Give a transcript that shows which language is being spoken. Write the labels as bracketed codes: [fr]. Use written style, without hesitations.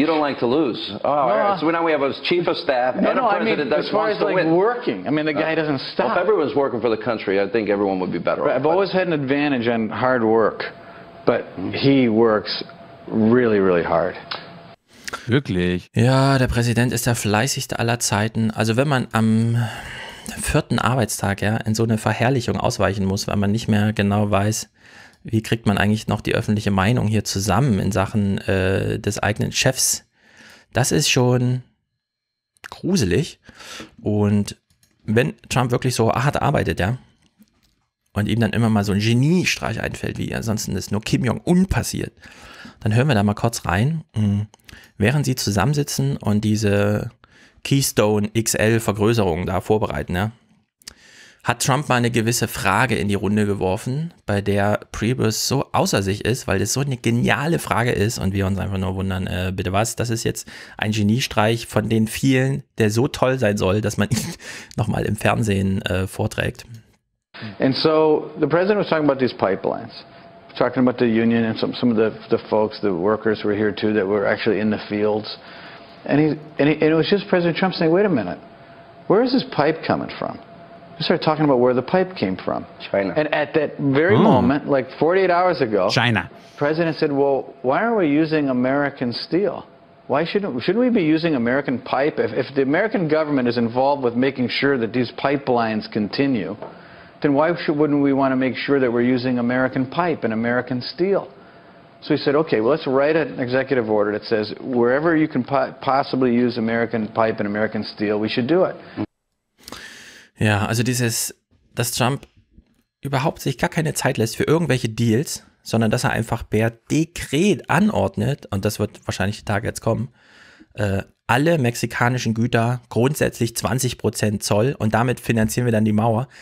[en] You don't like to lose. Oh, no. All right. So now we have a chief of staff and a president that wants to win. No, I mean, as far as, like, working. I mean, the guy doesn't stop. Well, if everyone's working for the country, I think everyone would be better off. I've always had an advantage on hard work, but he works really, really hard. [de] Wirklich? Ja, der Präsident ist der fleißigste aller Zeiten. Also wenn man am vierten Arbeitstag in so eine Verherrlichung ausweichen muss, weil man nicht mehr genau weiß, wie kriegt man eigentlich noch die öffentliche Meinung hier zusammen in Sachen des eigenen Chefs? Das ist schon gruselig. Und wenn Trump wirklich so hart arbeitet, und ihm dann immer mal so ein Geniestreich einfällt, wie ansonsten ist nur Kim Jong-un passiert, dann hören wir da mal kurz rein. Während sie zusammensitzen und diese Keystone XL-Vergrößerung da vorbereiten, hat Trump mal eine gewisse Frage in die Runde geworfen, bei der Priebus so außer sich ist, weil das so eine geniale Frage ist und wir uns einfach nur wundern, bitte was, das ist jetzt ein Geniestreich von den vielen, der so toll sein soll, dass man ihn nochmal im Fernsehen vorträgt. [en] And so the president was talking about these pipelines, talking about the union and some of the folks, the workers were here too that were actually in the fields. And it was just President Trump saying, wait a minute, where is this pipe coming from? We started talking about where the pipe came from. China. And at that very moment, like 48 hours ago, China. President said, well, why aren't we using American steel? Why shouldn't we be using American pipe? If the American government is involved with making sure that these pipelines continue, then why wouldn't we want to make sure that we're using American pipe and American steel? So he said, okay, well, let's write an executive order that says wherever you can possibly use American pipe and American steel, we should do it. [de] Ja, also dass Trump überhaupt sich gar keine Zeit lässt für irgendwelche Deals, sondern dass er einfach per Dekret anordnet, und das wird wahrscheinlich die Tage jetzt kommen, alle mexikanischen Güter grundsätzlich 20% Zoll und damit finanzieren wir dann die Mauer.